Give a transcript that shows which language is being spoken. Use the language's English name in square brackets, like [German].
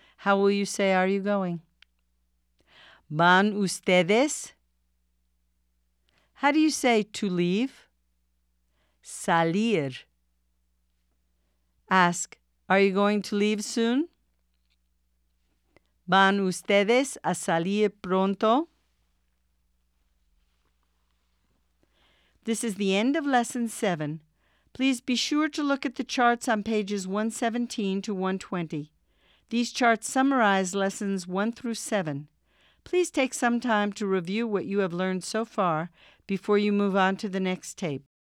[English] How will you say, are you going? [Spanish] ¿Van ustedes? [English] How do you say to leave? Salir. Ask, are you going to leave soon? [Spanish] ¿Van ustedes a salir pronto? [English] This is the end of Lesson 7. Please be sure to look at the charts on pages 117 to 120. These charts summarize Lessons 1 through 7. Please take some time to review what you have learned so far before you move on to the next tape.